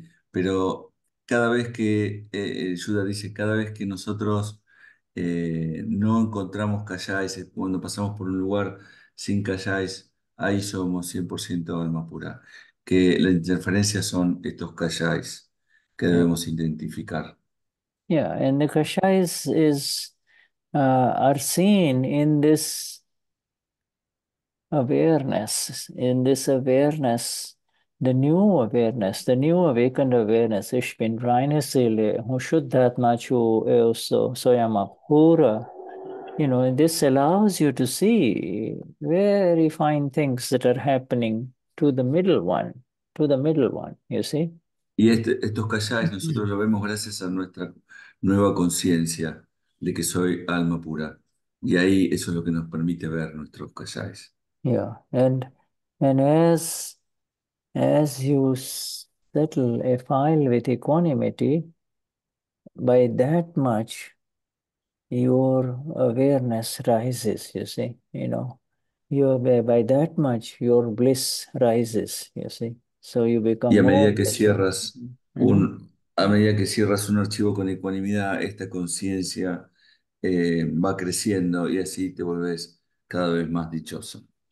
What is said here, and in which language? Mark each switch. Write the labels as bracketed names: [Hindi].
[Spanish] Pero cada vez que, Yuda dice, cada vez que nosotros no encontramos kashais, cuando pasamos por un lugar sin kashais, ahí somos 100% alma pura. Que la interferencia son estos kashais que debemos identificar. [English] Yeah, and the kashais are seen in this awareness, the new awakened awareness, Ishpin Rainasile, Vishuddhatma Chu Eoso, Soyama Hura. You know, and this allows you to see very fine things that are happening to the middle one, you see? [Spanish] Y estos kashais nosotros lo vemos gracias a nuestra nueva conciencia de que soy alma pura. Y ahí eso es lo que nos permite ver nuestros kashais. [English] Yeah, and as you settle a file with equanimity, by that much your awareness rises, you see, you know, by that much your bliss rises, you see, so you become [Spanish] Y a medida [English] more [Spanish] que [English] blissful. [Spanish] cierras a medida que cierras un archivo con ecuanimidad, esta conciencia va creciendo y así te volvés cada vez más dichoso.